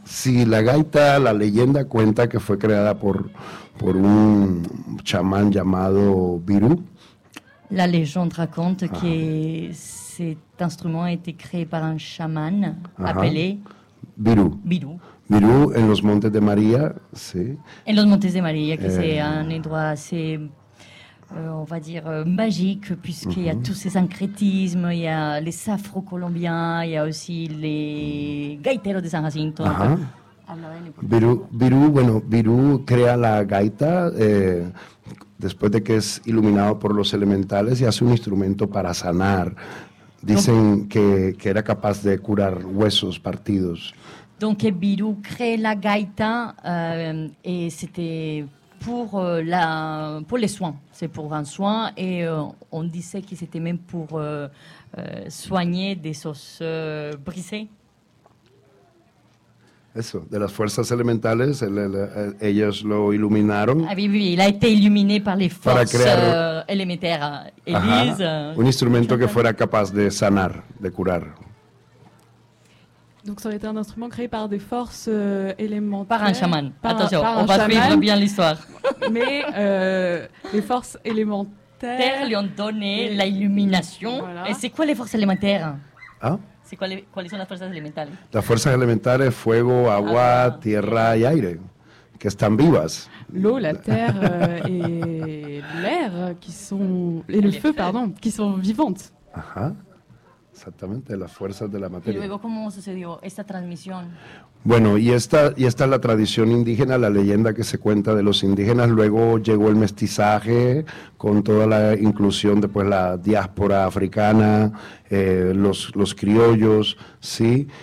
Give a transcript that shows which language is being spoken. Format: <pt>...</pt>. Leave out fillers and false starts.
<es>Sí, la gaita, la leyenda cuenta que fue creada por un chamán llamado Virú. La leyenda</es> <fr>raconte</fr> <es>que este instrumento ha sido creado por un chamán</es> <fr>appelé</fr> <es>Virú. Virú. Virú en los Montes de María, sí. En los Montes de María, que es un</es> <fr>endroit assez, on va dire, magique, puisqu'il y a tous ces syncrétismes, il y a les safros colombiens, il y a aussi les gaiteros de San Jacinto. Uh-huh.</fr> <es>Virú, bueno, Virú crea la gaita después de que es iluminado por los elementales y hace un instrumento para sanar. Dicen que era capaz de curar huesos partidos.</es> <fr>Donc Virú crée la gaita et c'était pour la pour les soins, c'est pour un soin et on disait que c'était même pour soigner des os brisés.</fr> <es>Eso, de las fuerzas elementales, ellos lo iluminaron.</es> <fr>Ah, oui, oui, il a été illuminé par les forces élémentaires.</fr> <es>Un instrumento que fuera capaz de sanar, de curar.</es> <fr>Donc ça aurait été un instrument créé par des forces élémentaires. Par un chaman. Attention, on va suivre bien l'histoire. Mais les forces élémentaires... Terre lui ont donné l'illumination. Voilà. Et c'est quoi les forces élémentaires? Hein? C'est quoi quelles sont les forces élémentaires? Les forces élémentaires,</fr> <es>fuego, agua, tierra y aire, que están vivas.</es> <fr>L'eau, la terre et l'air qui sont... Et le feu, pardon, qui sont vivantes. Ajá.</fr> <es>Exactamente, las fuerzas de la materia. Y luego, ¿cómo sucedió esta transmisión? Bueno, y esta es la tradición indígena, la leyenda que se cuenta de los indígenas. Luego llegó el mestizaje con toda la inclusión de pues, la diáspora africana, los criollos, ¿sí?</es>